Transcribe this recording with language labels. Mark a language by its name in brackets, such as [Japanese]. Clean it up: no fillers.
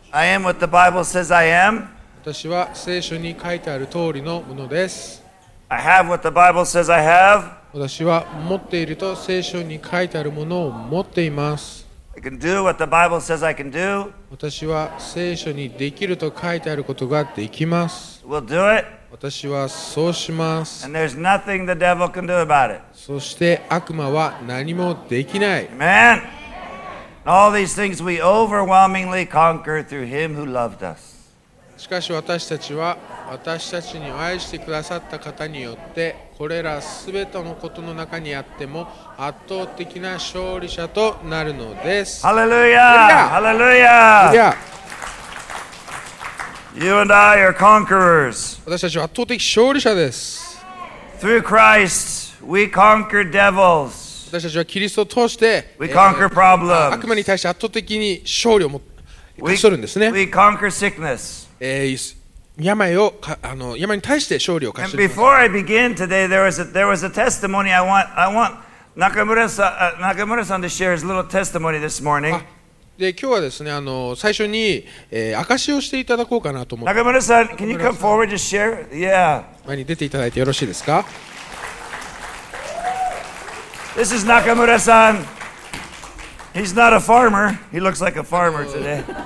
[English] I am what the Bible says I am. [Japanese] 私は聖書に書いてある通りのものです。 [English] I have what the Bible says I have. [Japanese] 私は持っていると聖書に書いてあるものを持っています。 [English] I can do what the Bible says I can do. [Japanese] 私は聖書にできると書いてあることができます。 [English] We'll do it. [Japanese] 私はそうします。 [English] And there's nothing the devil can do about it. [Japanese] そして悪魔は何もできない。 [English] Amen. All these things we overwhelmingly conquer through Him who loved us. [Japanese] しかし私たちは私たちに愛してくださった方によってこれらすべてのことの中にあっても圧倒的な勝利者となるのです。 [English] Hallelujah! Hallelujah! Yeah. You and I are conquerors. [Japanese] 私たちは圧倒的勝利者です。 [English] Through Christ, we conquer devils. [Japanese] 私たちはキリストを通して、 [English] we conquer problems. [Japanese] 悪魔に対して圧倒的に勝利を勝ち取るんですね。 [English] We conquer sickness. [Japanese] 病に対して勝利を勝ち取る。 [English] Before I begin today, there was a testimony I want Nakamura-san to share his little testimony this morning. [Japanese] で今日はですね、最初に、証しをしていただこうかなと思って。 [English] 中村さん、can you come forward to share? Yeah. [Japanese] 前に出ていただいてよろしいですか。 [English] This is Nakamura-san. He's not a farmer. He looks like a farmer today.